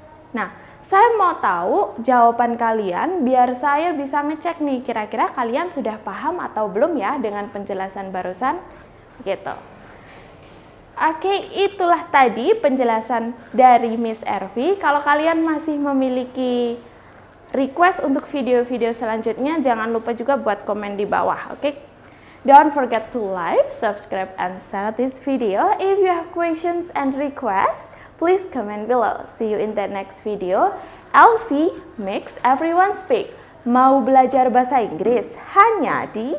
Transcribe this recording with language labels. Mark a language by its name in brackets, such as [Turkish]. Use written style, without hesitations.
[Indonesian] Nah, saya mau tahu jawaban kalian biar saya bisa ngecek nih kira-kira kalian sudah paham atau belum ya dengan penjelasan barusan gitu. Oke, itulah tadi penjelasan dari Miss Ervi. Kalau kalian masih memiliki request untuk video-video selanjutnya, jangan lupa juga buat komen di bawah, oke? [English] Don't forget to like, subscribe, and share this video. If you have questions and requests, please comment below. See you in the next video. LC makes everyone speak. [Indonesian] Mau belajar bahasa Inggris hanya di